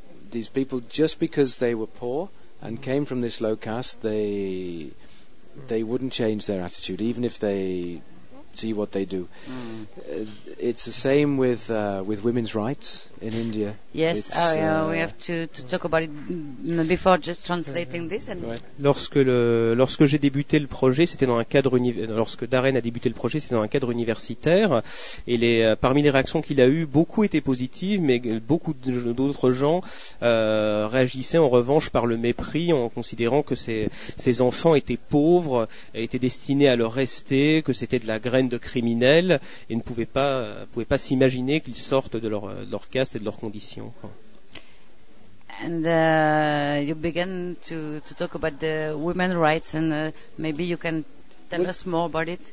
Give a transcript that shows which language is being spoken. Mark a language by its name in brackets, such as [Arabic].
[English] These people, just because they were poor and came from this low caste, they wouldn't change their attitude, even if they see what they do. It's the same with women's rights in India. Yes, we have to talk about it before just translating this. And [French] lorsque Darren a débuté le projet, c'était dans un cadre universitaire, et parmi les réactions qu'il a eues, beaucoup étaient positives, mais beaucoup d'autres gens réagissaient en revanche par le mépris, en considérant que ces enfants étaient pauvres, étaient destinés à leur rester, que c'était de la graine de criminels, et ne pouvaient pas s'imaginer qu'ils sortent de leur caste et de leurs conditions. [English] And you began to talk about the women's rights, and maybe you can tell us more about it.